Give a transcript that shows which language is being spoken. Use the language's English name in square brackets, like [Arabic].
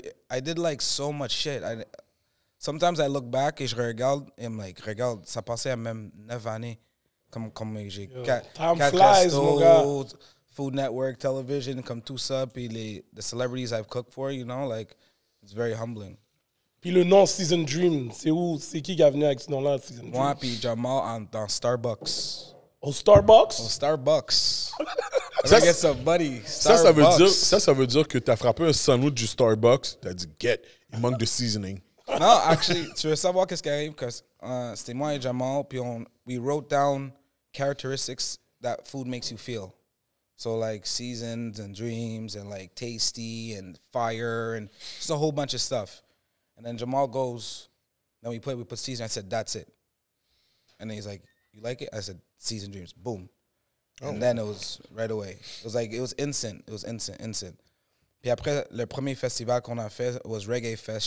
[English] I did, like, so much shit. Sometimes I look back [French] et je regarde, et [English] I'm like, [French] regarde, ça passait à même 9 années. Comme j'ai 4 restos, [English] Food Network, television, [French] comme tout ça, puis [English] the celebrities I've cooked for, you know, like, it's very humbling. [French] Puis le nom Season Dream, c'est où, c'est qui a venu avec ce nom-là, Season Dream? Moi, puis Jamal dans Starbucks. Au Starbucks? Au Starbucks. Ça, [English] get some money. [French] Ça veut dire que t'as frappé un sandwich du Starbucks, t'as dit, get, il manque de seasoning. Non, actually, tu veux savoir qu'est-ce qui arrive? Parce que c'était moi et Jamal, puis [English] we wrote down characteristics that food makes you feel. So, like, seasons and dreams and, like, tasty and fire and just a whole bunch of stuff. And then Jamal goes, then we put season. I said, that's it. And then he's like, you like it? I said, Season Dreams. Boom. Oh. And then it was right away. It was instant. [French] Puis après, le premier festival qu'on a fait was Reggae Fest.